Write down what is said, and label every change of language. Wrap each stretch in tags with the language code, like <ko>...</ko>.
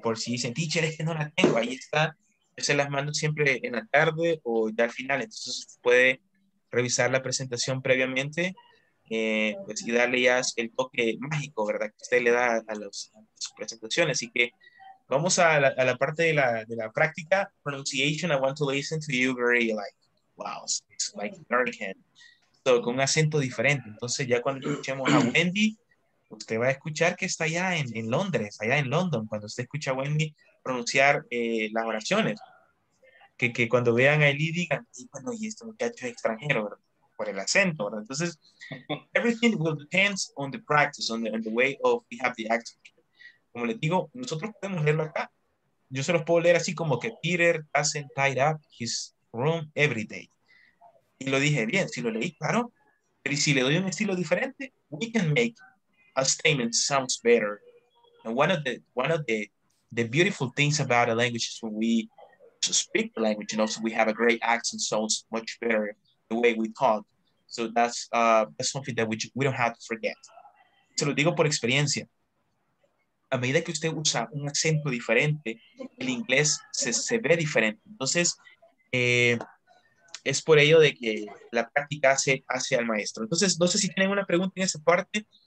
<es>Por si dicen, teacher, es que no la tengo, ahí está. Yo se las mando siempre en la tarde o ya al final, entonces puede revisar la presentación previamente pues, y darle ya el toque mágico, ¿verdad? Que usted le da a su presentación. Así que vamos a la parte de la práctica.</es> <en>Pronunciation, I want to listen to you very like, wow, it's like American.</en> <es>So, con un acento diferente. Entonces ya cuando escuchemos a Wendy, usted va a escuchar que está allá en Londres, allá en London, cuando usted escucha a Wendy pronunciar las oraciones. Que cuando vean a Eli digan, y bueno, y este muchacho es extranjero, ¿verdad? Por el acento, ¿verdad?</es> <en>Entonces, everything will depend on the practice, on the way of we have the accent.</en> <es>Como les digo, nosotros podemos leerlo acá. Yo se los puedo leer así como que</es> <en>Peter doesn't tie up his room every day.</en> <es>Y lo dije bien, si lo leí, claro. Pero si le doy un estilo diferente,</es> <en>we can make a statement sounds better. And one of the beautiful things about a language is when we to speak the language, and also we have a great accent, so it's much better the way we talk. So that's something that we don't have to forget.</en> <es>Se lo digo por experiencia. A medida que usted usa un acento diferente, el inglés se ve diferente. Entonces, es por ello de que la práctica hace al maestro. Entonces, no sé si tienen una pregunta en esa parte.</es>